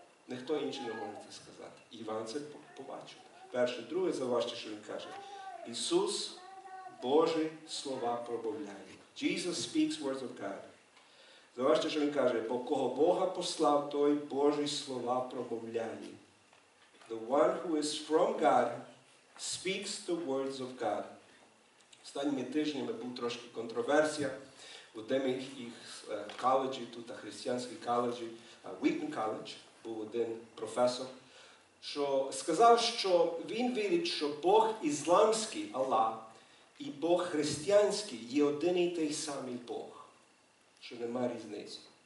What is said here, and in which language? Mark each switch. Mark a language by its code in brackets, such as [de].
[uk] Ніхто інший не може це сказати. Іван це побачив. Перше, друге, завважте, що він каже. Ісус Божі слова промовляє. [en] Jesus speaks words of God. [uk] Завважте, що він каже, бо кого Бога послав, той Божі слова промовляє. [en] The one who is from God speaks the words of God. [uk] Останніми тижнями був трошки контроверсія у деяких їх коледжі, тут християнських коледжі, Wheaton College, був один професор, що сказав, що він вірить, що Бог ісламський, Аллах, і Бог християнський є один і той самий Бог. Що нема різниці.